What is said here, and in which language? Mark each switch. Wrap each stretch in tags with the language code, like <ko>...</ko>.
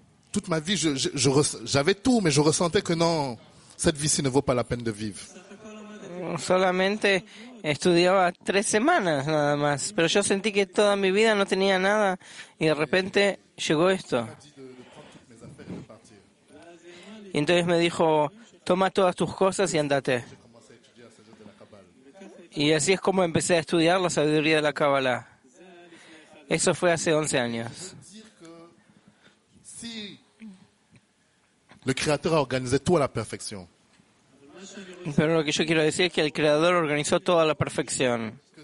<fr>Toute ma vie, j'avais tout, mais je ressentais que non, cette vie-ci ne vaut pas la peine de vivre.</fr> <es>solamente estudiaba 3 semanas nada más, pero yo sentí que toda mi vida no tenía nada y de repente llegó esto. Y entonces me dijo, toma todas tus cosas y andate. Y así es como empecé a estudiar la sabiduría de la Kabbalah. Eso fue hace 11 años.</es> <fr>Le créateur a organisé tout à la perfection.</fr> <es>Pero lo que yo quiero decir es que el creador organizó todo a la perfección.</es>